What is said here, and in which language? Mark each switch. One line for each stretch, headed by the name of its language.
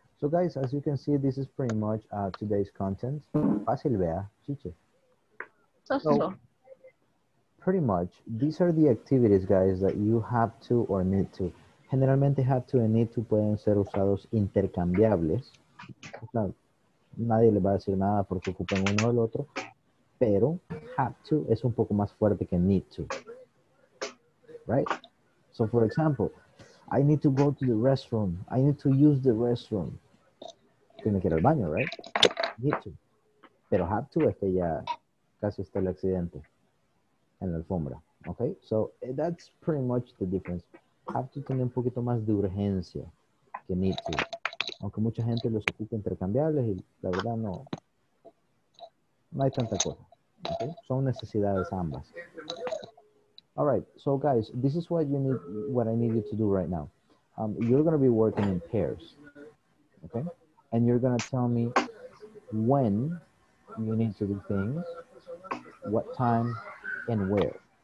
English: So guys, as you can see, this is pretty much today's content.
Spanish: Fácil, vea, chiche.
English: So, pretty much, these are the activities, guys, that you have to or need to.
Spanish: Generalmente,
English: have to and need to
Spanish: pueden ser usados intercambiables. O sea, nadie le va a decir nada porque ocupan uno del otro. Pero have to es un poco más fuerte que need to.
English: Right? So, for example, I need to go to the restroom. I need to use the restroom.
Spanish: Tiene que ir al baño,
English: right? Need to.
Spanish: Pero have to es que ya casi está el accidente en la alfombra. Okay?
English: So, that's pretty much the difference. Have to
Spanish: tener un poquito más de urgencia que
English: need to.
Spanish: Aunque mucha gente los ocupa intercambiables y la verdad no hay tanta cosa. Okay? Son necesidades ambas.
English: All right, so guys, this is what I need you to do right now. You're going to be working in pairs, okay? And you're going to tell me when you need to do things, what time, and where.